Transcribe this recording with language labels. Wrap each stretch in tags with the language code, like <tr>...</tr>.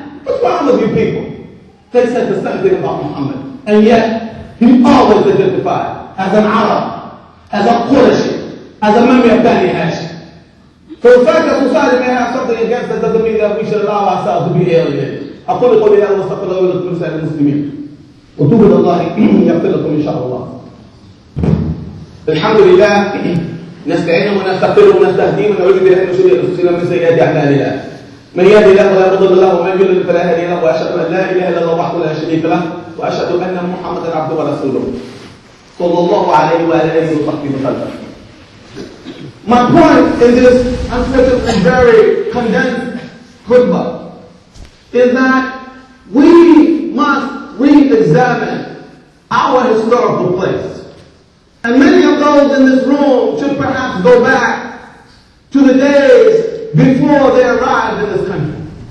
<en>What's wrong with you people? They said the same thing about Muhammad. And yet, he always identified as an Arab, as a Qurayshi, as a member of Bani Hashim. So the fact that society may have something against us doesn't mean that we should allow ourselves to be alienated.</en> <ar>أقول قولي هذا واستغفر الله ولكم سائر المسلمين. وتوب إلى الله يغفر لكم إن شاء الله. الحمد لله نستعين ونستغفر ونستهدي ونعوذ بالله من شرور أنفسنا ومن سيئات أعمالنا. من يهد الله فلا مضل له ومن يضلل فلا هادي له وأشهد أن لا إله إلا الله وحده لا شريك له وأشهد أن محمدا عبده ورسوله. صلى الله عليه وعلى آله وصحبه وسلم.</ar> <en>My point in this, I'm speaking in very condensed khutbah, is that we must re-examine our historical place. And many of those in this room should perhaps go back to the days before they arrived in this country.</en>